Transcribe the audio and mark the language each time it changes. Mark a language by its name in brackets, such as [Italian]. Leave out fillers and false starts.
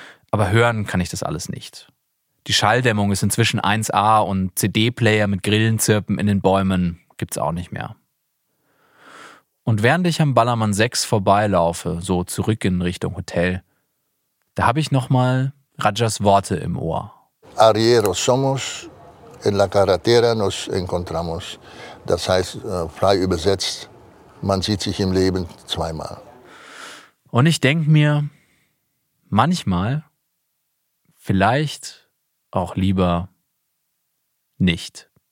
[German] Aber hören kann ich das alles nicht. Die Schalldämmung ist inzwischen 1A und CD-Player mit Grillenzirpen in den Bäumen gibt's auch nicht mehr. Und während ich am Ballermann 6 vorbeilaufe, so zurück in Richtung Hotel, da habe ich nochmal Rajas Worte im Ohr. [Spanish] Arrieros somos, en la carretera nos encontramos. [German] Das heißt, frei übersetzt, man sieht sich im Leben zweimal. Und ich denke mir, manchmal, vielleicht auch lieber nicht.